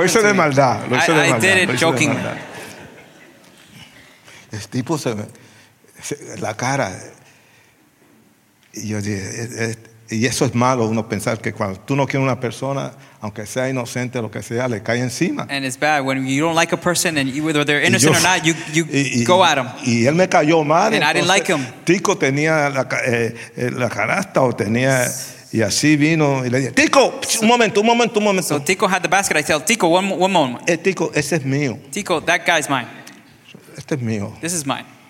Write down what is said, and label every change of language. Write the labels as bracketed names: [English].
[Spanish] Lo hice de maldad. [English] I did it joking. [Spanish] El tipo se me, la cara. Y yo dije, y eso es malo, uno pensar que cuando tú no quieres una persona, aunque sea inocente lo que sea, le cae encima. [English] And it's bad when you don't like a person and you, whether they're innocent [Spanish] yo, [English] or not, you go at them. [Spanish] Y él me cayó mal. [English] And [Spanish] entonces, [English] I didn't like him. [Spanish] Tico tenía la canasta o tenía y así vino y le dije, Tico, un momento. [English] So Tico had the basket. I tell Tico, one moment. [Spanish] Tico, ese es mío. [English] Tico, that guy's mine. [Spanish] Este es mío. [English] This is mine.